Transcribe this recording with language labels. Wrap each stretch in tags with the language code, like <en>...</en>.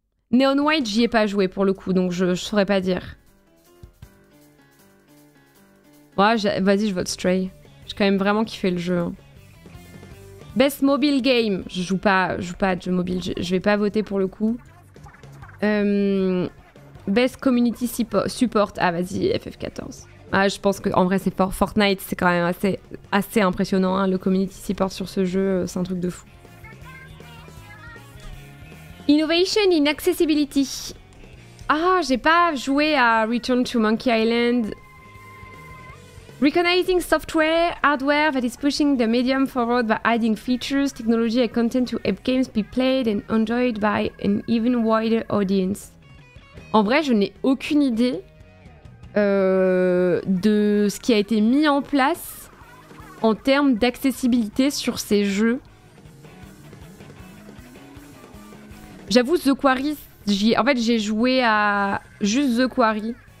<fr>Neon White, j'y ai pas joué pour le coup, donc je saurais pas dire. Ouais, vas-y, je vote Stray. J'ai quand même vraiment kiffé le jeu.</fr> <en>Best Mobile Game.</en> <fr>Je joue pas à jeu mobile. Je vais pas voter pour le coup.</fr> <en>Best Community Support.</en> <fr>Ah, vas-y, FF14. Ah, je pense qu'en vrai, c'est Fortnite. C'est quand même assez impressionnant. Hein, le Community Support sur ce jeu, c'est un truc de fou.</fr> <en>Innovation in Accessibility.</en> <fr>Ah, j'ai pas joué à Return to Monkey Island.</fr> <en>Recognizing software, hardware that is pushing the medium forward by adding features, technology and content to help games be played and enjoyed by an even wider audience.</en> <fr>En vrai, je n'ai aucune idée de ce qui a été mis en place en termes d'accessibilité sur ces jeux. J'avoue, The Quarry, j'ai joué à juste The Quarry.</fr>